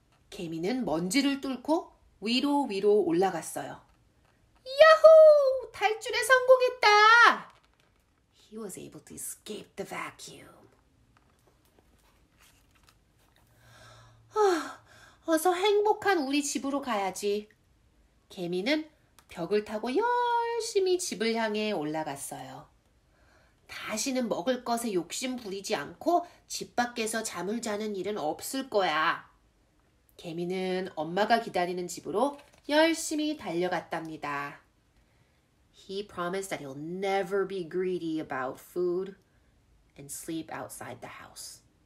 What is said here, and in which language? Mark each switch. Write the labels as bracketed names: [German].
[Korean] 개미는 먼지를 뚫고 위로 위로 올라갔어요. 야호! 탈출에 성공했다! [English] He was able to escape the vacuum. [Korean] 어서 행복한 우리 집으로 가야지. 개미는 벽을 타고 열심히 집을 향해 올라갔어요. 다시는 먹을 것에 욕심 부리지 않고 집 밖에서 잠을 자는 일은 없을 거야. 개미는 엄마가 기다리는 집으로 열심히 달려갔답니다. [English] He promised that he'll never be greedy about food and sleep outside the house.